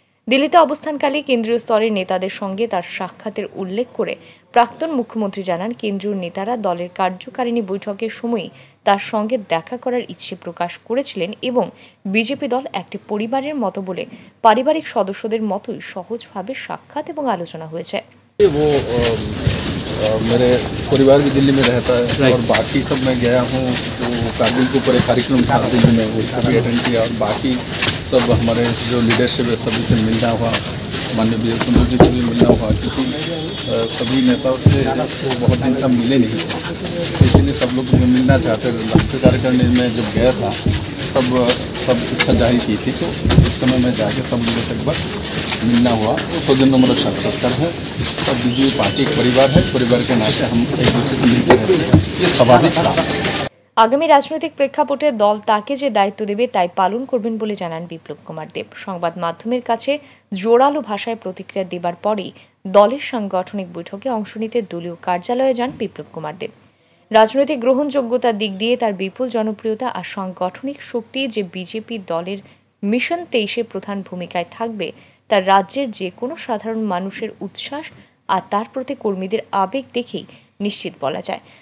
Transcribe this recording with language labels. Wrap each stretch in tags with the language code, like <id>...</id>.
<bn>দিল্লিতে অবস্থানকালে কেন্দ্রীয় স্তরের নেতাদের সঙ্গে তার সাক্ষাতের উল্লেখ করে প্রাক্তন মুখ্যমন্ত্রী জানান, কেন্দ্রীয় নেতারা দলের কার্যকারিণী বৈঠকের সময় তার সঙ্গে দেখা করার ইচ্ছে প্রকাশ করেছিলেন এবং বিজেপি দল একটি পরিবারের মতো বলে পারিবারিক সদস্যদের মতোই সহজভাবে সাক্ষাৎ এবং আলোচনা হয়েছে।</bn> <hi>मेरे परिवार भी दिल्ली में रहता है और बाकी सब मैं गया हूँ, तो कारगिल के ऊपर एक कार्यक्रम था दिल्ली में, उसको भी अटेंड किया और बाकी सब हमारे जो लीडरशिप है सभी से मिलना हुआ, माननीय बीएल सुंदर जी से भी मिलना हुआ, क्योंकि सभी नेताओं से बहुत दिन से मिले नहीं, इसीलिए सब लोग मिलना चाहते थे। राष्ट्रीय कार्यकारिणी में जब गया था तब सब इच्छा जाहिर की थी, तो इस समय मैं जाके सब लोगों से एक बार मिलना हुआ। तो दिन नंबर 77 है, सब बीजेपी पार्टी एक परिवार है, परिवार के नाते हम एक दूसरे से मिलते रहते हैं, ये स्वाभाविक था।</hi> <bn>আগামী রাজনৈতিক প্রেক্ষাপটে দল তাকে যে দায়িত্ব দেবে তাই পালন করবেন বলে জানান বিপ্লব কুমার দেব। সংবাদ মাধ্যমের কাছে জোরালো ভাষায় প্রতিক্রিয়া দেবার পরেই দলের সাংগঠনিক বৈঠকে অংশ নিতে দলীয় কার্যালয়ে যান বিপ্লব কুমার দেব। রাজনৈতিক গ্রহণযোগ্যতার দিক দিয়ে তার বিপুল জনপ্রিয়তা আর সাংগঠনিক শক্তি যে বিজেপি দলের মিশন 23-এ প্রধান ভূমিকায় থাকবে তার রাজ্যের যে কোনো সাধারণ মানুষের উচ্ছ্বাস আর তার প্রতি কর্মীদের আবেগ দেখেই নিশ্চিত বলা যায়।</bn>